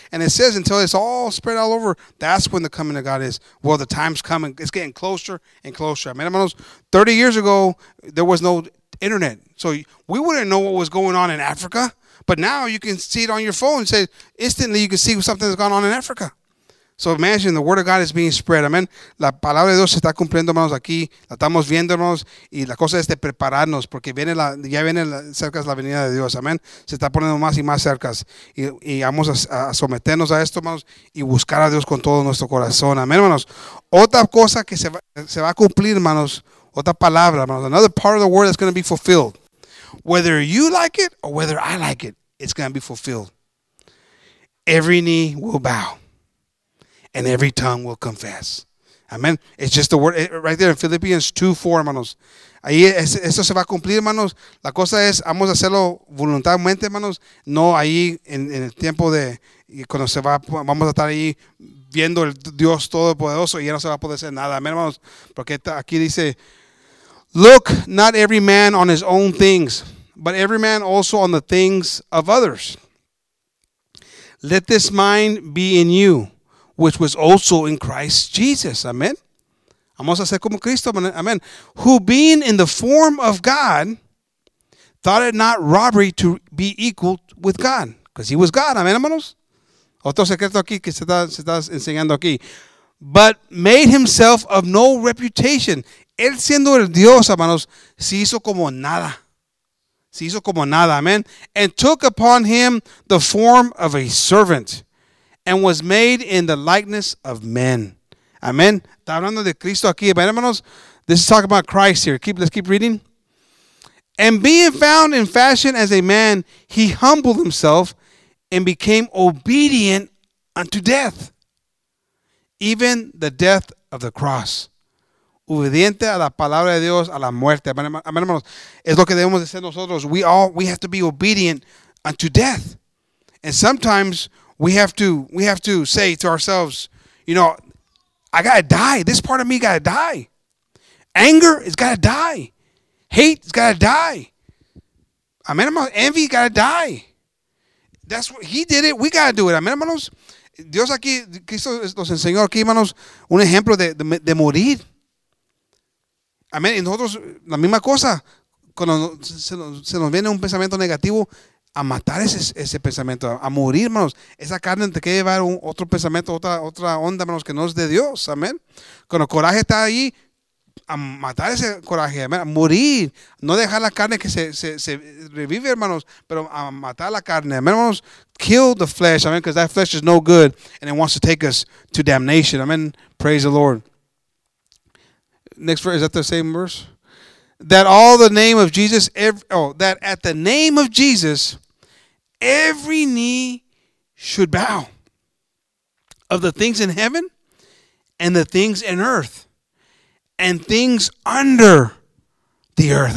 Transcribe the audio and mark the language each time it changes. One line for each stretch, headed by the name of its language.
English: And it says until it's all spread all over, that's when the coming of God is. Well, the time's coming. It's getting closer and closer. I mean, hermanos, 30 years ago, there was no internet. So we wouldn't know what was going on in Africa. But now you can see it on your phone. Say, instantly you can see something that's gone on in Africa. So imagine the word of God is being spread. Amen.
Spanish: La palabra de Dios se está cumpliendo, hermanos, aquí. La estamos viendo, hermanos. Y la cosa es de prepararnos porque viene cerca la venida de Dios. Amen. Se está poniendo más y más cerca. Y vamos a someternos a esto, hermanos, y buscar a Dios con todo nuestro corazón. Amen, hermanos. Otra cosa que se va a cumplir, hermanos. Otra palabra, hermanos.
English: Another part of the word that's going to be fulfilled. Whether you like it or whether I like it, it's going to be fulfilled. Every knee will bow. And every tongue will confess. Amen. It's just the word right there in Philippians 2:4, hermanos.
Spanish: Ahí eso se va a cumplir, hermanos. La cosa es, vamos a hacerlo voluntariamente, hermanos. No ahí en el tiempo de cuando se va, vamos a estar ahí viendo el Dios Todopoderoso y ya no se va a poder hacer nada. Amen, hermanos. Porque aquí dice,
English: look not every man on his own things, but every man also on the things of others. Let this mind be in you, which was also in Christ Jesus. Amen.
Spanish: Vamos a ser como Cristo.
English: Amen. Who being in the form of God, thought it not robbery to be equal with God. Because he was God. Amen, hermanos.
Spanish: Otro secreto aquí que se está enseñando aquí.
English: But made himself of no reputation.
Spanish: Él siendo el Dios, hermanos, se hizo como nada. Se hizo como nada. Amen.
English: And took upon him the form of a servant. And was made in the likeness of men. Amen.
Spanish: Está hablando de Cristo aquí, hermanos.
English: This is talking about Christ here. Let's keep reading. And being found in fashion as a man, he humbled himself and became obedient unto death. Even the death of the cross.
Spanish: Obediente a la palabra de Dios, a la muerte. Amen, hermanos. Es lo que debemos de ser nosotros.
English: We have to be obedient unto death. And sometimes We have to say to ourselves, you know, I got to die. This part of me got to die. Anger has got to die. Hate has got to die. I mean, envy got to die. That's what he did it. We got to do it.
Spanish: I mean, hermanos, Dios aquí, Cristo nos enseñó aquí, hermanos, un ejemplo de morir. I mean, y nosotros, la misma cosa, cuando se nos viene un pensamiento negativo, a matar ese pensamiento, a morir, hermanos. Esa carne te quiere llevar otro pensamiento, otra onda, hermanos, que no es de Dios. Amén. Cuando el coraje está ahí, a matar ese coraje, amén. A morir. No dejar la carne que se revive, hermanos, pero a matar la carne. Amén, hermanos.
English: Kill the flesh, amén, because that flesh is no good and it wants to take us to damnation. Amén. Praise the Lord. Next verse, is that the same verse? That at the name of Jesus, every knee should bow of the things in heaven and the things in earth and things under the earth.